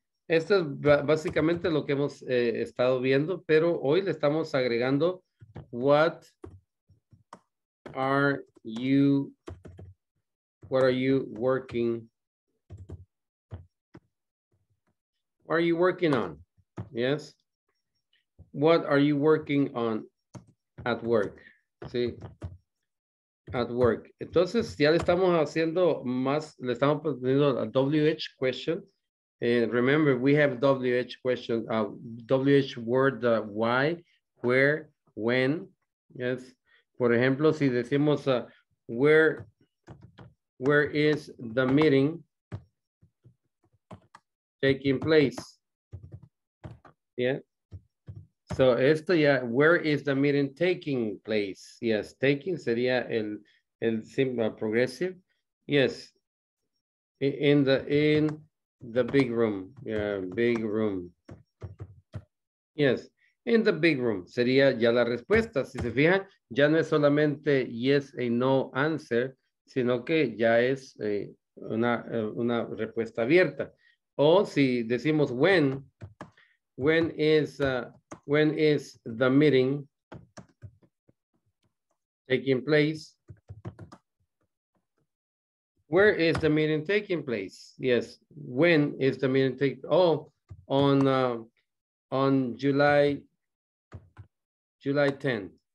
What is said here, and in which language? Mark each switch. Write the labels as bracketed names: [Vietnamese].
[Spanish] Esto es básicamente lo que hemos estado viendo, pero hoy le estamos agregando [English] what are you working on? Yes. What are you working on at work? Sí. At work. [Spanish] Entonces, ya le estamos haciendo más, le estamos poniendo a WH question. [English] Remember, we have WH question, WH word, why, where, when. Yes. [Spanish] Por ejemplo, si decimos, [English] where is the meeting taking place? Yeah. So, [Spanish] esto ya, [English] where is the meeting taking place? [Spanish] Yes, taking sería el simple progressive. [English] Yes, in the big room. Yeah, big room. Yes, in the big room. [Spanish] Sería ya la respuesta. Si se fijan, ya no es solamente yes y no answer, sino que ya es una respuesta abierta. O si decimos [English] when is the meeting taking place? Where is the meeting taking place? Yes, when is the meeting on July 10th.